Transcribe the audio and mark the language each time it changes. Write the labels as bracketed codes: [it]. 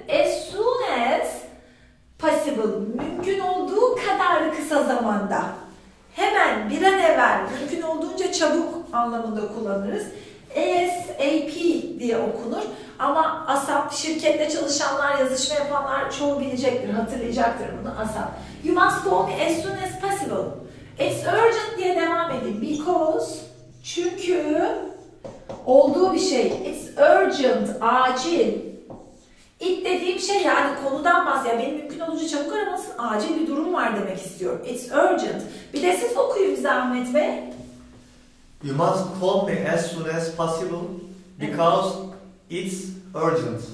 [en] As soon as possible, [tr] mümkün olduğu kadar kısa zamanda. Hemen, bir an evvel, mümkün olduğunca çabuk anlamında kullanırız. ASAP diye okunur. Ama ASAP, şirkette çalışanlar, yazışma yapanlar çoğu bilecektir, hatırlayacaktır bunu ASAP. [en] You must call me as soon as possible. It's urgent [tr] diye devam edin. Because, çünkü olduğu bir şey. [en] It's urgent, [tr] acil. It dediğim şey yani konudan bahsediyor. Benim mümkün olunca çabuk aramasın. Acil bir durum var demek istiyorum. [en] It's urgent. [tr] Bir de siz okuyun bize Ahmet Bey. [en] You must call me as soon as possible because it's urgent.